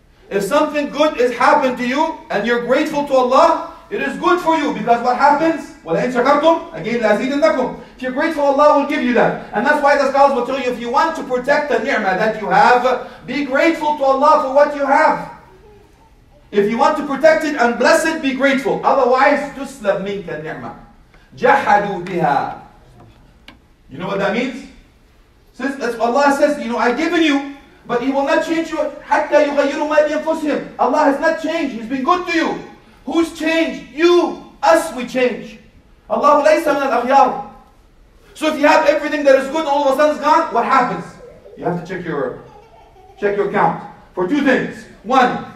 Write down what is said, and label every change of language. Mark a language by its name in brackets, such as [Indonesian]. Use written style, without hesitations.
[English] If something good has happened to you and you're grateful to Allah, it is good for you, because what happens? [Arabic] وَلَئِنْ شَكَرْتُمْ أَجِيدْ لَأَزِيدَنَّكُمْ. [English] If you're grateful, Allah will give you that. And that's why the scholars will tell you, if you want to protect the ni'mah that you have, be grateful to Allah for what you have. If you want to protect it and bless it, be grateful. Otherwise, [Arabic] تُسْلَبْ مِنْكَ النِّعْمَةِ جَحَدُوا بِهَا. [English] You know what that means? Since that's what Allah says, you know, I've given you, but He will not change you. [Arabic] حَتَّى يُغَيِّرُوا مَا بِأَنفُسِهِمْ. [English] Allah has not changed. He's been good to you. Who's changed? You, us, we change. [Arabic] Allahu laysa min al-akhyar. [English] So if you have everything that is good, all of a sudden it's gone, what happens? You have to check your account for two things. One,